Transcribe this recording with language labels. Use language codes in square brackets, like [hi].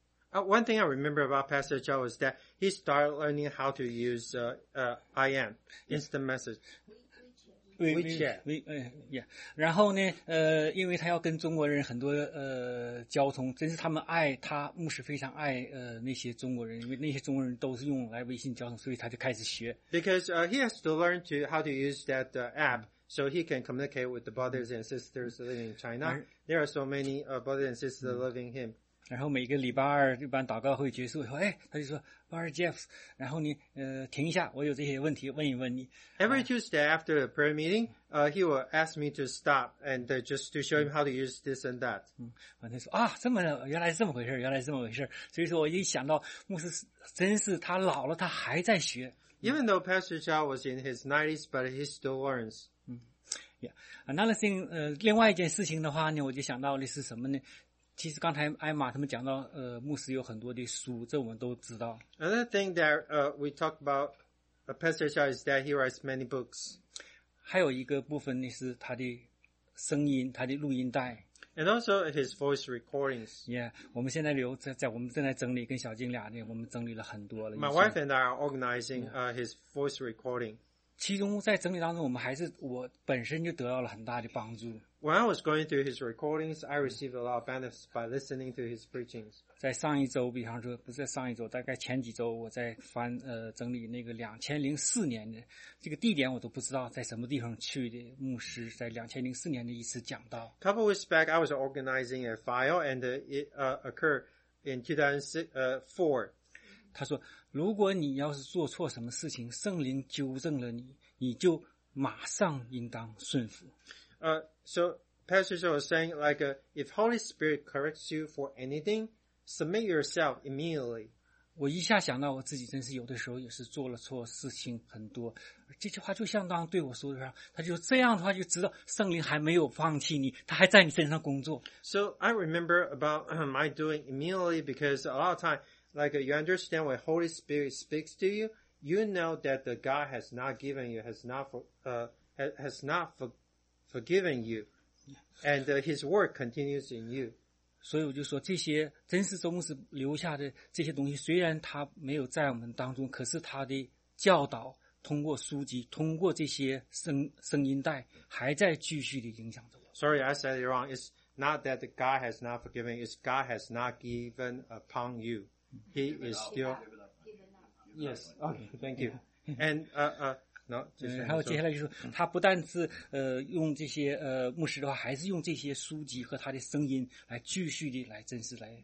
[en] One thing I remember about Pastor Joe is that he started learning how to use IM instant message. WeChat. Yeah. [zh] 然后呢，因为他要跟中国人很多交通，真是他们爱他牧师非常爱那些中国人，因为那些中国人都是用来微信交通，所以他就开始学。 [en] Because he has to learn to how to use that app so he can communicate with the brothers and sisters living in China. There are so many brothers and sisters loving him. [zh] 然后每个礼拜二一般祷告会结束以后，哎，他就说。 Brother Jeff, 然后你停一下，我有这些问题问一问你。 [en] Every Tuesday after the prayer meeting, he will ask me to stop and just to show him how to use this and that. [zh] 嗯，反正说啊，这么原来是这么回事，原来是这么回事。所以说我一想到牧师真是他老了，他还在学。 [en] Even though Pastor Chow was in his 90s, but he still learns. [zh] 嗯 ， [en] Yeah, another thing, [zh] 另外一件事情的话呢，我就想到的是什么呢？其实刚才艾玛他们讲到牧师有很多的书这我们都知道。 [en] Another thing that we talk about Pastor Shaw is that he writes many books. [zh] 还有一个部分是他的声音他的录音带。 [en] And also his voice recordings. [zh] Yeah, 我们现在留在我们正在整理跟小静俩的我们整理了很多了。 [en] My wife and I are organizing his voice recording. [zh] 其中在整理当中我们还是我本身就得到了很大的帮助。 [en] When I was going through his recordings, I received a lot of benefits by listening to his preachings. [zh] 在上一周，比方说不是在上一周，大概前几周，我在翻整理那个2004年的这个地点，我都不知道在什么地方去的牧师在2004年的一次讲道。 [en] Couple weeks back, I was organizing a file, and it occurred in 2004. [zh] 他说，如果你要是做错什么事情，圣灵纠正了你，你就马上应当顺服。 [en] So Pastor Joe was saying, like, if Holy Spirit corrects you for anything, submit yourself immediately. [zh] 我一下想到我自己，真是有的时候也是做了错事情很多。这句话就相当对我说的，他就这样的话就知道圣灵还没有放弃你，他还在你身上工作。 [en] So I remember about my doing immediately because a lot of time, like, you understand when Holy Spirit speaks to you, you know that the God has not given you, has not forgiven you, and his work continues in you. [zh] 所以我就说这些真是宗师留下的这些东西虽然他没有在我们当中可是他的教导通过书籍通过这些 声音带还在继续的影响着我。 [en] Sorry, I said it wrong. It's not that God has not forgiven you. It's God has not given upon you. He is still... Yes, okay, thank you. And no, [zh] 然后接下来就是他不但是用这些牧师的话，还是用这些书籍和他的声音来继续的来真实来